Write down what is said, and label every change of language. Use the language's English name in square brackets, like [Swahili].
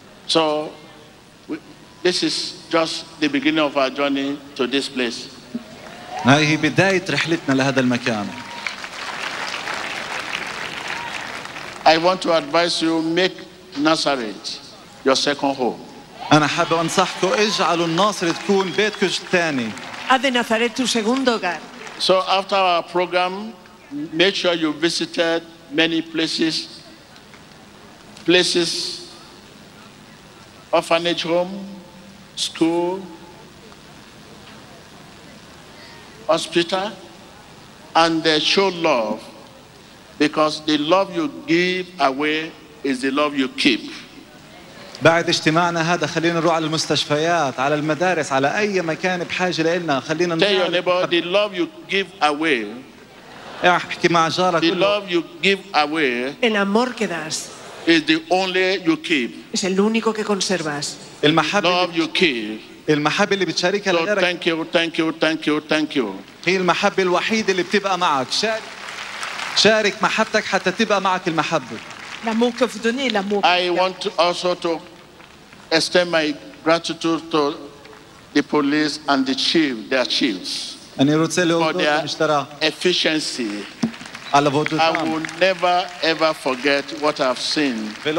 [English] So this is just the beginning of our journey to this place. [Arabic] هاي هي بداية رحلتنا لهذا المكان. [English] I want to advise you, make Nazareth your second home. [Arabic] أنا حابب أنصحكوا اجعلوا الناصر تكون بيتكم الثاني. [Spanish] هذا نازاريت تو سيغوندو هوغار. [English] So after our program, make sure you visited many places. Places, orphanage home, school, hospital, and show love, because the love you give away is the love you keep. [Arabic] بعد اجتماعنا هذا خلينا نروح على المستشفيات على المدارس على اي مكان بحاجه لنا خلينا نروح. [English] Tell your neighbor, the love you give away. [Arabic] احكي مع جارك. [English] The love you give away. [Spanish] El amor que das. [English] Is the only you keep. [Spanish] Es el único que conservas. [Arabic] المحبة. [English] Love you keep. [Arabic] المحبة اللي بتشاركها لغيرك. [English] So thank you, thank you, thank you, thank you. [Arabic] هي المحبة الوحيدة اللي بتبقى معك. شارك محبتك حتى تبقى معك المحبة. [English] I want also to extend my gratitude to the police and the chief, their chiefs, for their efficiency. I will never ever forget what I've seen.